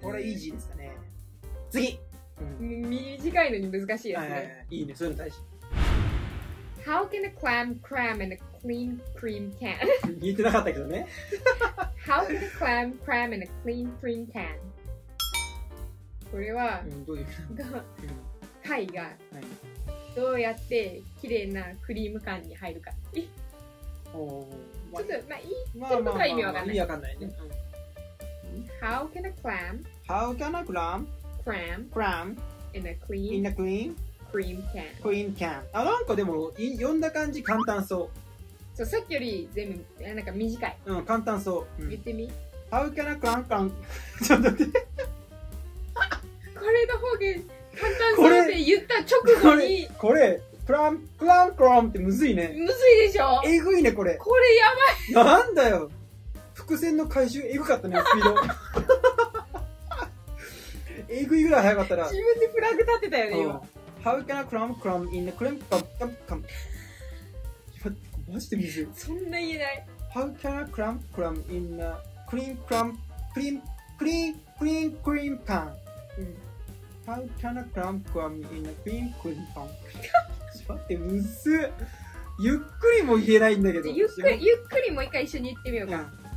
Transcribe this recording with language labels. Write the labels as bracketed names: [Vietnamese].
[Japanese] これイージーですかね。次。短いのに難しいですね。いいね、そういうの大事。 [English] How can a clam cram in a clean cream can? [Japanese] 言ってなかったけどね。 [English] How can a clam cram in a clean cream can? [Japanese] これは、どういうか。貝が、どうやって綺麗なクリーム缶に入るか。ちょっと、まあ、言ってることは意味わかんない。意味わかんないね。 [English] How can a clam? How can a clam? Cram? Cram? In a clean? In a clean? Cream can. Cream can. [Japanese] あ、なんかでも読んだ感じ簡単そう。そう、さっきより全部なんか短い。うん、簡単そう。うん、言ってみ。 [English] How can a clam cram? [Japanese] ちょっと待って。これの方が簡単そうって言った直後に。これクランクランクランってむずいね。むずいでしょ。えぐいねこれ。これやばい。なんだよ。伏線の回収えぐかったねスピード。えぐいぐらい早かったら。自分でフラグ立てたよね、うん、今。 [English] How can a clam cram in a clean cream can? [Japanese] マジで難しい。そんな言えない。 [English] How can a clam cram in a clean cream clean clean clean clean pan? How can a clam cram in a clean clean pan? [Japanese] ちょっと待って、むず。ゆっくりも言えないんだけど。ゆっくりもう一回一緒に言ってみようか。